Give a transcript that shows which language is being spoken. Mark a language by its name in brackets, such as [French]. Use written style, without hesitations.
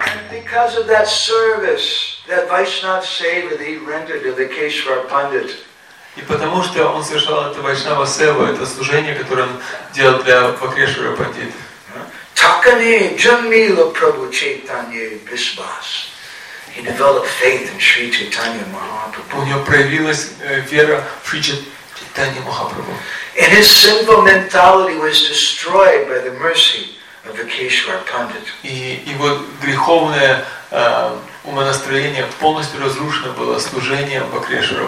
[English] Because of that service that Vaishnava Seva that he rendered to the Keshwar Pandit. [Russian] И потому что он совершал это Вайшнава Сева, это служение, которое он делал для Вакрешвара Пандита. [Bangla] Такани Джамила Прабху Чайтанья Бисбас. [English] He developed faith in Sri Chaitanya Mahaprabhu. [Russian] У него проявилась вера в Шри Чайтанья Махапрабху. [English] And his sinful mentality was destroyed by the mercy of Vakeshwara Pandit. [Russian] И его греховное умонастроение полностью разрушено было служением Вакрешвара